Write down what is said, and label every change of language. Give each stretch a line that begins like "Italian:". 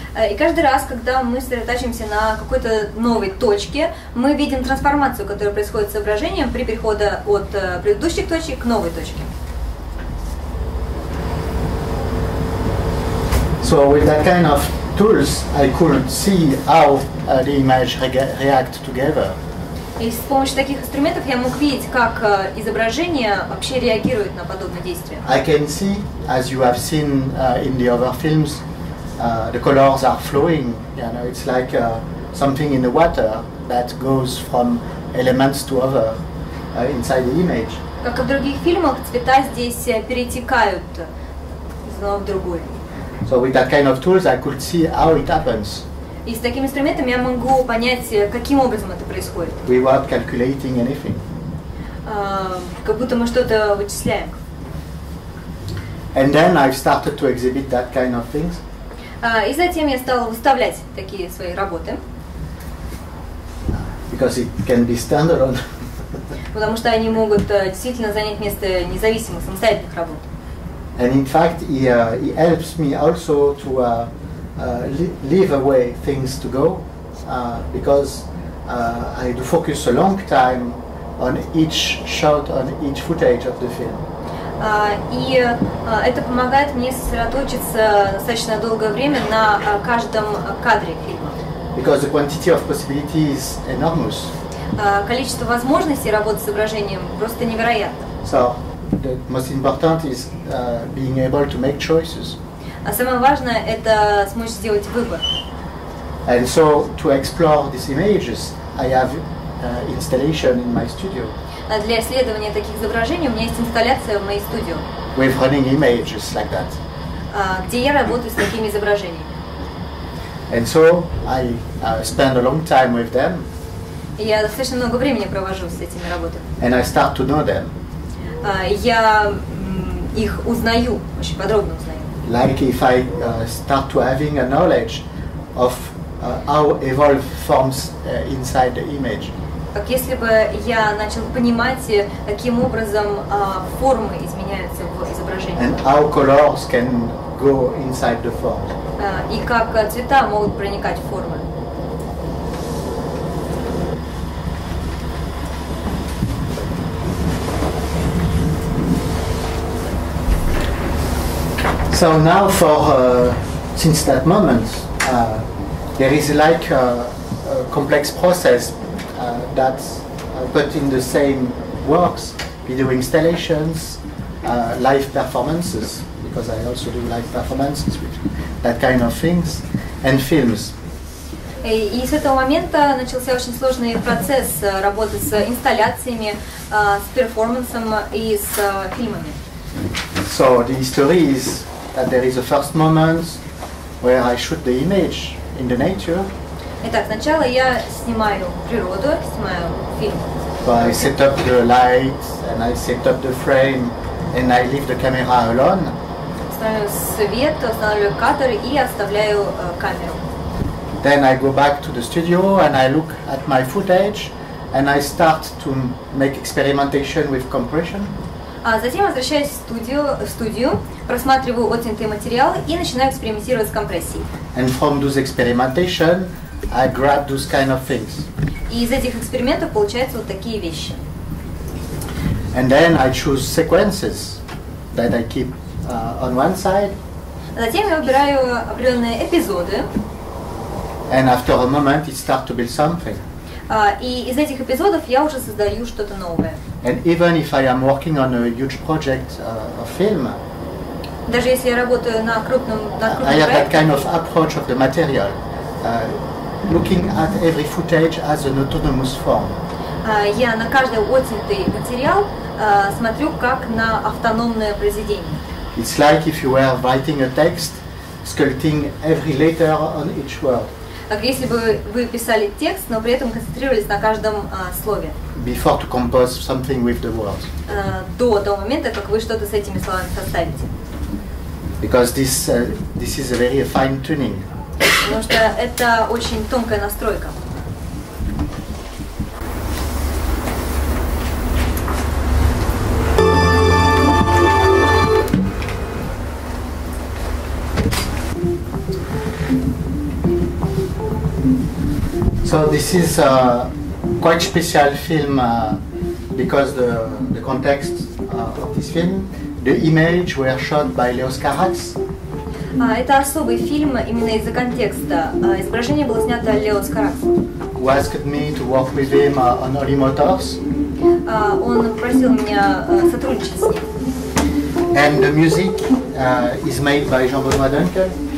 Russian: И каждый раз, когда мы сосредотачиваемся на какой-то новой точке, мы видим трансформацию, которая происходит с изображением при переходе от предыдущих точек к новой точке.
English: So with that kind of tools, I could see how the image react together.
Russian: И с помощью таких инструментов я мог видеть, как изображение вообще реагирует на подобное действие.
English: I can see, as you have seen in the other films, the colors are flowing. You know, it's like something in the water that goes from elements to other inside the image.
Russian: Как и в других фильмах, цвета здесь перетекают из одного в другой.
English: So with that kind of tools, I could see how it happens.
Russian: И с таким инструментом я могу понять, каким образом это происходит.
English: Without calculating anything.
Russian: Как будто мы что-то вычисляем.
English: And then I started to exhibit that kind of things.
Russian: И затем я стала выставлять такие свои работы.
English: Because it can be standalone.
Russian: Потому что они могут действительно занять место независимых самостоятельных работ.
English: And in fact, it helps me also to leave away things to go because I do focus a long time on each shot, on each footage of the film.
Russian: Это помогает мне сосредоточиться достаточно долгое время на каждом кадре фильма.
English: Because the quantity of possibilities is enormous.
Russian: Количество возможностей работы с изображением просто невероятно.
English: So the most important is being able to make choices.
Russian: А самое важное – это смочь сделать выбор.
English: And so, to explore these images, I have installation in my studio.
Russian: А для исследования таких изображений у меня есть инсталляция в моей студии.
English: With running images like that.
Russian: Где я работаю с такими изображениями.
English: And so, I spend a long time with them.
Russian: Я достаточно много времени провожу с этими работами.
English: And I start to know them.
Russian: Я их узнаю, очень подробно узнаю.
English: Like if I start to having a knowledge of how evolved forms inside the image.
Russian: Как если бы я начал понимать, каким образом формы изменяются в изображении.
English: And how colors can go inside the form.
Russian: и как цвета могут проникать в формы.
English: So now for since that moment there is like a complex process that's but in the same works, video installations, live performances, because I also do live performances, that kind of things, and films.
Russian: И с этого момента начался очень сложный процесс работы с инсталляциями, с перформансом и с фильмами.
English: So the history is that there is a first moment where I shoot the image in the nature.
Russian: Итак, сначала я снимаю природу, снимаю фильм.
English: So I set up the lights and I set up the frame and I leave the camera alone.
Russian: Свет, устанавливаю кадр и оставляю камеру.
English: Then I go back to the studio and I look at my footage and I start to make experimentation with compression.
Russian: А затем возвращаюсь в студию, просматриваю отснятый материал и начинаю экспериментировать с компрессией.
English: And from those experimentation, I grab those kind of things.
Russian: И из этих экспериментов получаются вот такие вещи.
English: And then I choose sequences that I keep on one side.
Russian: Затем я выбираю определенные эпизоды.
English: And after a moment, it starts to build something.
Russian: И из этих эпизодов я уже создаю что-то новое.
English: And even if I am working on a huge project, a film.
Russian: Даже если я работаю на крупном проекте.
English: I have that kind of approach of the material. Looking at every footage as an autonomous form.
Russian: Я на каждый отснятый материал смотрю как на автономное произведение.
English: It's like if you were writing a text, sculpting every letter on each word.
Russian: Как если бы вы писали текст, но при этом концентрировались на каждом слове.
English: Before to compose something with the words.
Russian: До того момента, как вы что-то с этими словами составите.
English: Because this this is a very fine tuning.
Russian: Потому что это очень тонкая настройка.
English: So this is a quite special film because the context of this film, the image were shot by Leos Carax.
Russian: Это особый фильм именно из-за контекста. Изображение было снято Леос Каракс.
English: Who asked me to work with him on early motors.
Russian: Он просил меня сотрудничать с ним.
English: And the music is made by Jean-Benoît Dunkel.